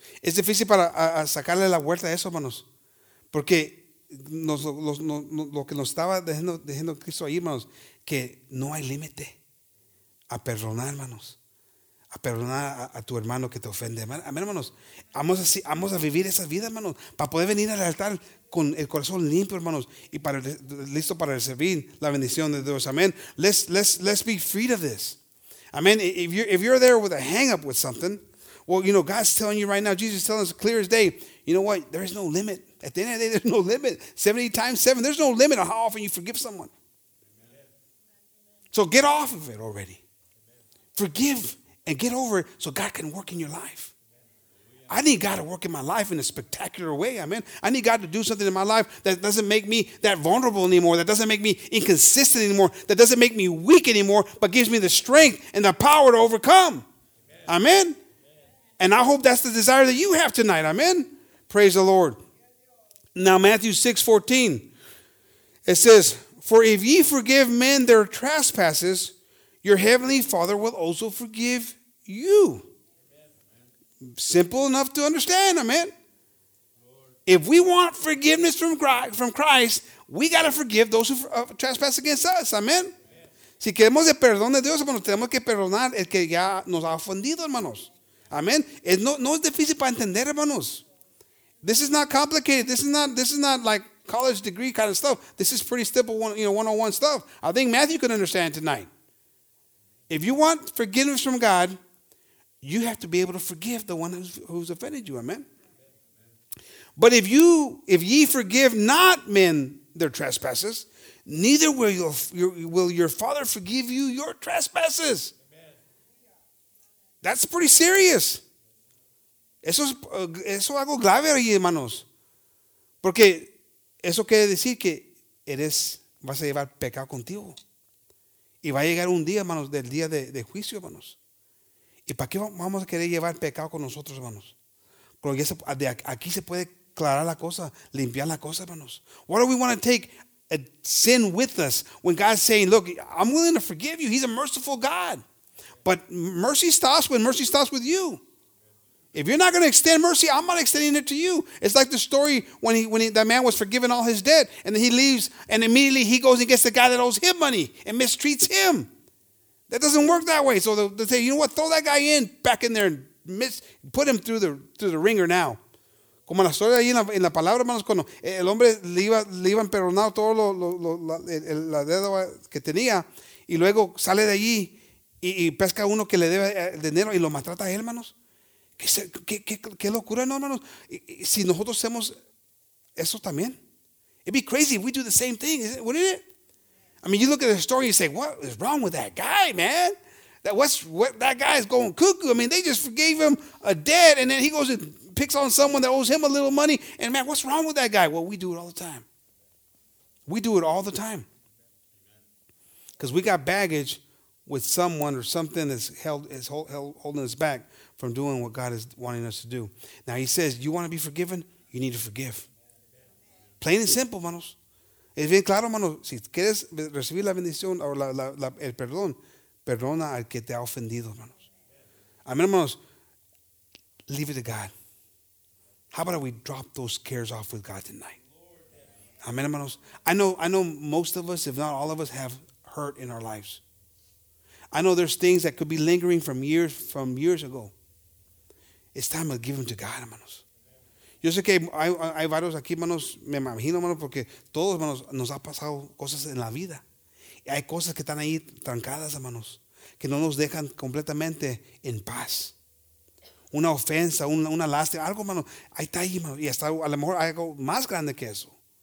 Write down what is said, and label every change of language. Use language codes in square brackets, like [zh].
[es] Es difícil para sacarle la vuelta a eso, hermanos. Porque lo que nos estaba dejando Cristo ahí, hermanos, que no hay límite a perdonar, hermanos. a perdonar a tu hermano que te ofende. Amén, hermanos. Vamos a vivir esa vida, hermanos, para poder venir al altar con el corazón limpio, hermanos, y para listo para recibir la bendición de Dios. [en] Amén. Let's be freed of this. Amén. If you're there with a hang up with something, well, you know, God's telling you right now, Jesus is telling us clear as day, you know what? There is no limit. At the end of the day, there's no limit. 70 times 7, there's no limit on how often you forgive someone. So get off of it already. Forgive and get over it so God can work in your life. I need God to work in my life in a spectacular way, amen. I need God to do something in my life that doesn't make me that vulnerable anymore, that doesn't make me inconsistent anymore, that doesn't make me weak anymore, but gives me the strength and the power to overcome. Amen. And I hope that's the desire that you have tonight. Amen. Praise the Lord. Now, Matthew 6:14, it says, "For if ye forgive men their trespasses, your heavenly Father will also forgive you." Simple enough to understand, amen. If we want forgiveness from Christ, we got to forgive those who trespass against us, amen. [es] Si queremos el perdón de Dios, hermanos, tenemos que perdonar el que ya nos ha ofendido, hermanos. Amen. No es difícil para entender, hermanos. [en] This is not complicated. This is not like college degree kind of stuff. This is pretty simple, you know, 101 stuff. I think Matthew can understand tonight. If you want forgiveness from God, you have to be able to forgive the one who's offended you. Amen. But if ye forgive not men their trespasses, neither will your Father forgive you your trespasses. That's pretty serious. [es] Eso es algo grave ahí, hermanos. Porque eso quiere decir que vas a llevar pecado contigo. Y va a llegar un día, hermanos, del día de juicio, hermanos. ¿Y para qué vamos a querer llevar pecado con nosotros, hermanos? Porque aquí se puede aclarar la cosa, limpiar la cosa, hermanos. [en] Why do we want to take a sin with us when God's saying, look, I'm willing to forgive you. He's a merciful God. But mercy stops when mercy stops with you. If you're not going to extend mercy, I'm not extending it to you. It's like the story when that man was forgiven all his debt, and then he leaves, and immediately he goes and gets the guy that owes him money and mistreats him. That doesn't work that way. So they say, you know what? Throw that guy in back in there and put him through the ringer now. [es] Como la historia ahí en la palabra, hermanos, cuando el hombre le iban perdonado todo la deuda que tenía, y luego sale de allí y pesca uno que le debe dinero y lo maltrata a él, hermanos. ¿Qué locura, no, hermanos? Si nosotros hacemos eso también. [en] It'd be crazy if we do the same thing, wouldn't it? I mean, you look at the story and you say, what is wrong with that guy, man? That guy is going cuckoo. I mean, they just forgave him a debt, and then he goes and picks on someone that owes him a little money. And, man, what's wrong with that guy? Well, we do it all the time. We do it all the time. Because we got baggage with someone or something that's held holding us back from doing what God is wanting us to do. Now, he says, you want to be forgiven? You need to forgive. Plain and simple, manos. [es] Es bien claro, hermano, si quieres recibir la bendición o el perdón, perdona al que te ha ofendido, hermanos. Amén, hermanos. [en] Leave it to God. How about we drop those cares off with God tonight? [es] Amén, hermanos. [en] I know most of us, if not all of us, have hurt in our lives. I know there's things that could be lingering from years ago. It's time to give them to God, hermanos. [es] Yo sé que hay varios aquí, hermanos, me imagino, hermanos, porque todos, hermanos, nos ha pasado cosas en la vida. Y hay cosas que están ahí trancadas, hermanos, que no nos dejan completamente en paz. Una ofensa, una lástima, algo, hermano, ahí está ahí, hermano, y hasta a lo mejor hay algo más grande que eso.